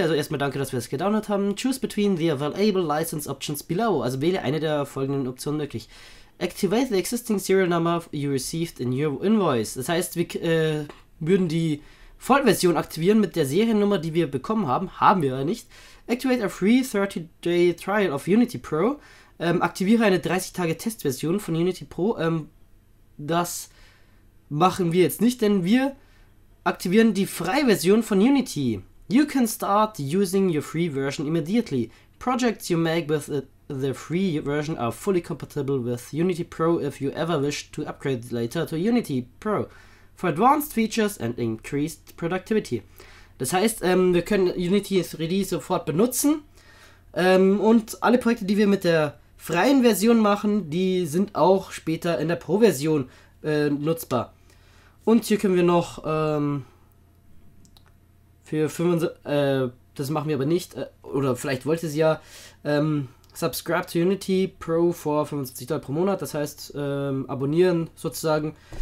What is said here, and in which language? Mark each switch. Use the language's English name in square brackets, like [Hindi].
[German] Also erstmal danke, dass wir es gedownloadet haben. [English] Choose between the available license options below. [German] Also wähle eine der folgenden Optionen möglich. [English] Activate the existing serial number you received in your invoice. [German] Das heißt, wir würden die Vollversion aktivieren mit der Seriennummer, die wir bekommen haben. Haben wir aber nicht. [English] Activate a free 30-day trial of Unity Pro. [German] Aktiviere eine 30-Tage-Testversion von Unity Pro. Das machen wir jetzt nicht, denn wir aktivieren die freie Version von Unity. [English] You can start using your free version immediately. Projects you make with the free version are fully compatible with Unity Pro if you ever wish to upgrade later to Unity Pro for advanced features and increased productivity. [German] Das heißt, wir können Unity 3D sofort benutzen. Und alle Projekte, die wir mit der freien Version machen, die sind auch später in der Pro-Version nutzbar. Und hier können wir noch für 5, das machen wir aber nicht, oder vielleicht wollte sie ja, [English] subscribe to Unity Pro for $75 [German] pro Monat, das heißt abonnieren sozusagen.